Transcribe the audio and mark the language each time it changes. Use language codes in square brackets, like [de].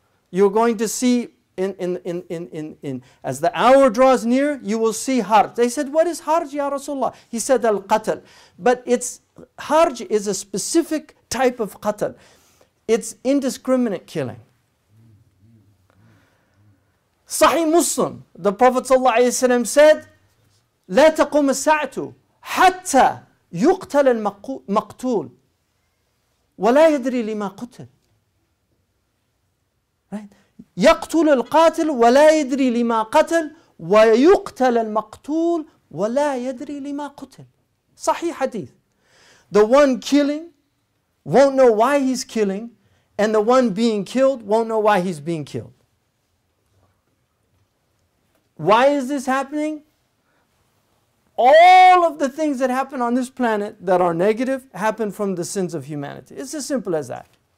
[en] You're going to see in as the hour draws near, you will see harj. They said, what is harj, [ar] Ya Rasulullah? [en] He said, al-qatl. But it's harj is a specific type of qatl. It's indiscriminate killing. Sahih Muslim, the Prophet ﷺ said, [ar] لا تقوم الساعة حتى يقتل المقتول ولا يدري لما قتل. [en] Right? [ar] يقتل القاتل ولا يدري لما قتل ويقتل المقتول ولا يدري لما قتل. [en] Sahih Hadith. The one killing won't know why he's killing, and the one being killed won't know why he's being killed. Why is this happening? All of the things that happen on this planet that are negative happen from the sins of humanity. It's as simple as that.